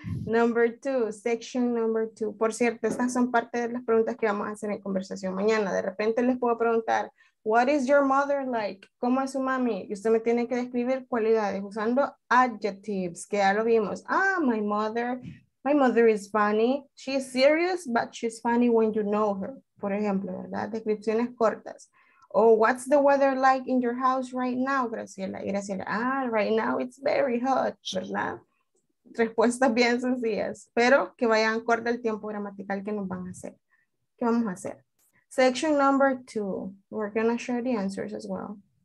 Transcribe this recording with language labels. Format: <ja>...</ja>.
<en>Number two, section number two.</en> <es>Por cierto, estas son parte de las preguntas que vamos a hacer en conversación mañana. De repente les puedo preguntar,</es> <en>what is your mother like?</en> <es>¿Cómo es su mami? Y usted me tiene que describir cualidades usando adjectives, que ya lo vimos.</es> <en>Ah, my mother is funny. She's serious, but she's funny when you know her.</en> <es>Por ejemplo, ¿verdad? Descripciones cortas.</es> <en>Oh, what's the weather like in your house right now, Graciela?</en> <es>Y Graciela,</es> <en>ah, right now it's very hot,</en> <es>¿verdad? Respuestas bien sencillas, pero que vayan acorde al tiempo gramatical que nos van a hacer. ¿Qué vamos a hacer?</es> <en>Section number two. We're going to share the answers as well.</en>